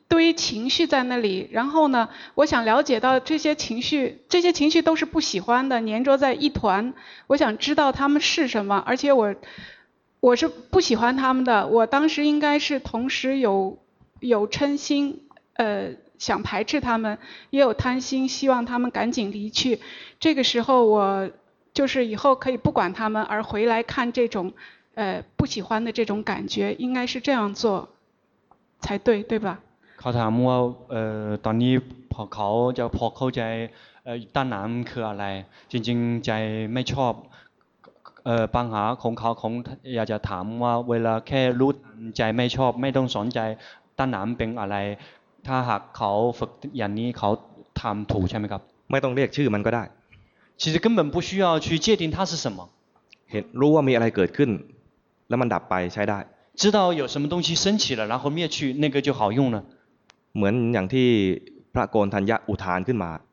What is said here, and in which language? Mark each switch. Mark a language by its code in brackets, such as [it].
[zh] 堆情绪在那里，然后呢我想了解到这些情绪，这些情绪都是不喜欢的，粘着在一团，我想知道他们是什么，而且我是不喜欢他们的，我当时应该是同时有嗔心想排斥他们，也有贪心希望他们赶紧离去，这个时候我就是以后可以不管他们而回来看这种不喜欢的这种感觉，应该是这样做才对，对吧？ [th] เขาถามว่าตอนนี้พอเขาจะพอเข้าใจด้านน้ำคืออะไรจริงๆใจไม่ชอบปัญหาของเขาคงอยากจะถามว่าเวลาแค่รู้ใจไม่ชอบไม่ต้องสนใจด้านน้ำเป็นอะไรถ้าหากเขาฝึกอย่างนี้เขาทำถูกใช่ไหมครับ ไม่ต้องเรียกชื่อมันก็ได้ [zh] 其实根本不需要去界定它是什么 [th] เห็นรู้ว่ามีอะไรเกิดขึ้นแล้วมันดับไปใช้ได้ [zh] 知道有什么东西升起了然后灭去那个就好用了 [th] เหมือนอย่างที่พระโกณฑัญญะอุทานขึ้นมา